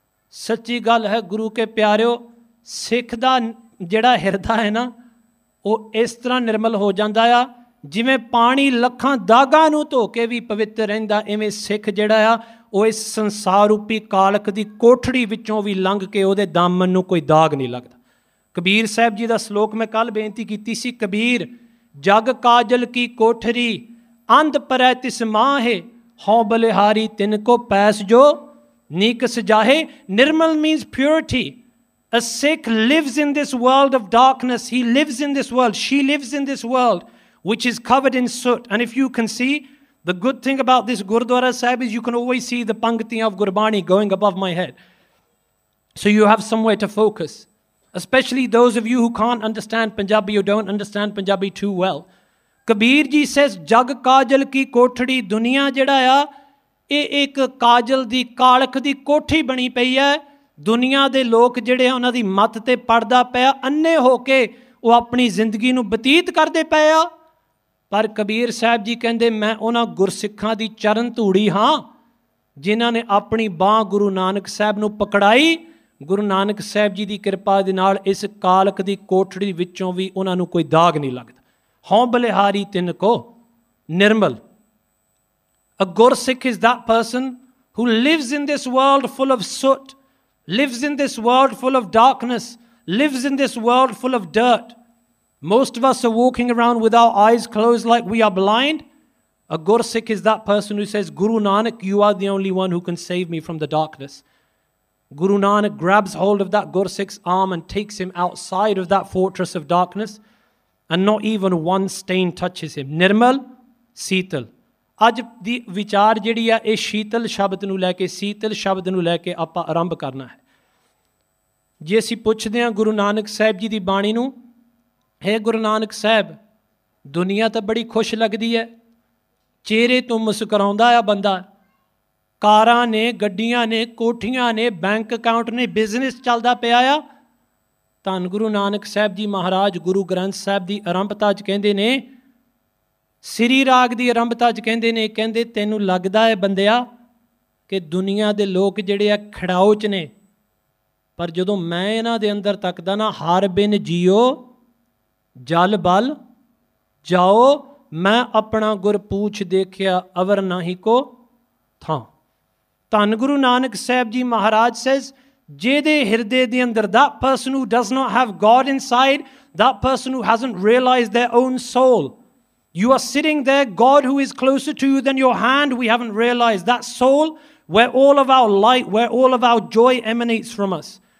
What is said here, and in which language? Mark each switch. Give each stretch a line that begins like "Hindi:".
Punjabi: Sachi gal hai guru ke pyareo, ਸਿੱਖ ਦਾ ਜਿਹੜਾ ਹਿਰਦਾ ਹੈ ਨਾ, ਉਹ ਇਸ ਤਰ੍ਹਾਂ ਨਿਰਮਲ ਹੋ ਜਾਂਦਾ ਆ ਜਿਵੇਂ ਪਾਣੀ ਲੱਖਾਂ ਦਾਗਾਂ ਨੂੰ ਧੋ ਕੇ ਵੀ ਪਵਿੱਤਰ ਰਹਿੰਦਾ, ਇਵੇਂ ਸਿੱਖ ਜਿਹੜਾ ਆ ਉਹ ਇਸ ਸੰਸਾਰ ਰੂਪੀ ਕਾਲਕ ਦੀ ਕੋਠੜੀ ਵਿੱਚੋਂ ਵੀ ਲੰਘ ਕੇ ਉਹਦੇ ਦਾਮਨ ਨੂੰ ਕੋਈ ਦਾਗ ਨਹੀਂ ਲੱਗਦਾ। ਕਬੀਰ ਸਾਹਿਬ ਜੀ ਦਾ ਸਲੋਕ ਮੈਂ ਕੱਲ੍ਹ ਬੇਨਤੀ ਕੀਤੀ ਸੀ, ਕਬੀਰ ਜਗ ਕਾਜਲ ਕੀ ਕੋਠਰੀ ਅੰਧ ਪਰੈ ਤਿਸ ਮਾਹੇ, ਹੋਂ ਬਲਿਹਾਰੀ ਤਿਨ ਕੋ ਪੈਸ ਜੋ ਨੀਕ ਸਜਾਹੇ।
English: ਨਿਰਮਲ means purity. A Sikh lives in this world of darkness. He lives in this world. She lives in this world, which is covered in soot. And if you can see, the good thing about this Gurdwara Sahib is you can always see the Pangti of Gurbani going above my head. So you have somewhere to focus. Especially those of you who can't understand Punjabi or don't understand Punjabi too well. Kabir ji says,
Punjabi: Jag kajal ki kothdi duniya jada ya, ek kajal di kalak di kothi bani pahi hai. ਦੁਨੀਆ ਦੇ ਲੋਕ ਜਿਹੜੇ ਆ ਉਹਨਾਂ ਦੀ ਮੱਤ 'ਤੇ ਪੜਦਾ ਪਿਆ, ਅੰਨੇ ਹੋ ਕੇ ਉਹ ਆਪਣੀ ਜ਼ਿੰਦਗੀ ਨੂੰ ਬਤੀਤ ਕਰਦੇ ਪਏ ਆ। ਪਰ ਕਬੀਰ ਸਾਹਿਬ ਜੀ ਕਹਿੰਦੇ, ਮੈਂ ਉਹਨਾਂ ਗੁਰਸਿੱਖਾਂ ਦੀ ਚਰਨ ਧੂੜੀ ਹਾਂ ਜਿਨ੍ਹਾਂ ਨੇ ਆਪਣੀ ਬਾਂਹ ਗੁਰੂ ਨਾਨਕ ਸਾਹਿਬ ਨੂੰ ਪਕੜਾਈ, ਗੁਰੂ ਨਾਨਕ ਸਾਹਿਬ ਜੀ ਦੀ ਕਿਰਪਾ ਦੇ ਨਾਲ ਇਸ ਕਾਲਕ ਦੀ ਕੋਠੜੀ ਵਿੱਚੋਂ ਵੀ ਉਹਨਾਂ ਨੂੰ ਕੋਈ ਦਾਗ ਨਹੀਂ ਲੱਗਦਾ। ਹੋਂ ਬਲਿਹਾਰੀ ਤਿੰਨ ਕੋ ਨਿਰਮਲ।
English: A Gursikh is that person who lives in this world full of soot, lives in this world full of darkness, lives in this world full of dirt. Most of us are walking around with our eyes closed like we are blind. A Gursikh is that person who says, Guru Nanak, you are the only one who can save me from the darkness. Guru Nanak grabs hold of that Gursikh's arm and takes him outside of that fortress of darkness, and not even one stain touches him.
Punjabi: Nirmal, Seetal. ਅੱਜ ਦੀ ਵਿਚਾਰ ਜਿਹੜੀ ਆ ਇਹ ਸ਼ੀਤਲ ਸ਼ਬਦ ਨੂੰ ਲੈ ਕੇ, ਸੀਤਲ ਸ਼ਬਦ ਨੂੰ ਲੈ ਕੇ ਆਪਾਂ ਆਰੰਭ ਕਰਨਾ ਹੈ। ਜੇ ਅਸੀਂ ਪੁੱਛਦੇ ਹਾਂ ਗੁਰੂ ਨਾਨਕ ਸਾਹਿਬ ਜੀ ਦੀ ਬਾਣੀ ਨੂੰ, ਹੇ ਗੁਰੂ ਨਾਨਕ ਸਾਹਿਬ, ਦੁਨੀਆ ਤਾਂ ਬੜੀ ਖੁਸ਼ ਲੱਗਦੀ ਹੈ, ਚਿਹਰੇ ਤੋਂ ਮੁਸਕਰਾਉਂਦਾ ਆ ਬੰਦਾ, ਕਾਰਾਂ ਨੇ, ਗੱਡੀਆਂ ਨੇ, ਕੋਠੀਆਂ ਨੇ, ਬੈਂਕ ਅਕਾਊਂਟ ਨੇ, ਬਿਜ਼ਨਸ ਚੱਲਦਾ ਪਿਆ ਆ। ਧੰਨ ਗੁਰੂ ਨਾਨਕ ਸਾਹਿਬ ਜੀ ਮਹਾਰਾਜ ਗੁਰੂ ਗ੍ਰੰਥ ਸਾਹਿਬ ਦੀ ਆਰੰਭਤਾ 'ਚ ਕਹਿੰਦੇ ਨੇ, ਸ੍ਰੀ ਰਾਗ ਦੀ ਆਰੰਭਤਾ 'ਚ ਕਹਿੰਦੇ ਨੇ, ਕਹਿੰਦੇ ਤੈਨੂੰ ਲੱਗਦਾ ਹੈ ਬੰਦਿਆ ਕਿ ਦੁਨੀਆ ਦੇ ਲੋਕ ਜਿਹੜੇ ਆ ਖੜਾਓ 'ਚ ਨੇ, ਪਰ ਜਦੋਂ ਮੈਂ ਇਹਨਾਂ ਦੇ ਅੰਦਰ ਤੱਕਦਾ ਨਾ, ਹਰ ਬਿਨ ਜੀਓ ਜਲ ਬਲ ਜਾਓ, ਮੈਂ ਆਪਣਾ ਗੁਰਪੂਛ ਦੇਖਿਆ ਅਵਰ ਨਾਹੀ ਕੋ ਥਾਂ। ਧੰਨ ਗੁਰੂ ਨਾਨਕ ਸਾਹਿਬ ਜੀ ਮਹਾਰਾਜ ਸੇਜ਼, ਜਿਹਦੇ ਹਿਰਦੇ ਦੇ ਅੰਦਰ,
English: That person who does not have God inside, that person who hasn't realize their own soul, you are sitting there, God who is closer to you than your hand, we haven't realized that soul where all of our light, where all of our joy emanates from us.